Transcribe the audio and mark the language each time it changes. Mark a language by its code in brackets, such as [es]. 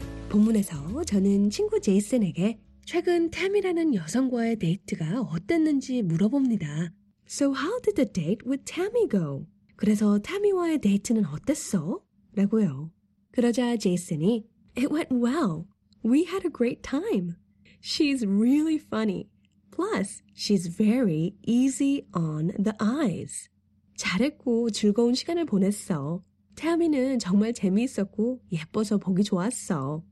[ko] 본문에서 저는 친구 제이슨에게 최근 태미라는 여성과의 데이트가 어땠는지 물어봅니다. [en] So how did the date with Tammy go? [ko] 그래서 태미와의 데이트는 어땠어? 라고요. 그러자 제이슨이 [en] It went well. We had a great time. She's really funny. Plus, she's very easy on the eyes. [ko] 잘했고 즐거운 시간을 보냈어. 태미는 정말 재미있었고 예뻐서 보기 좋았어.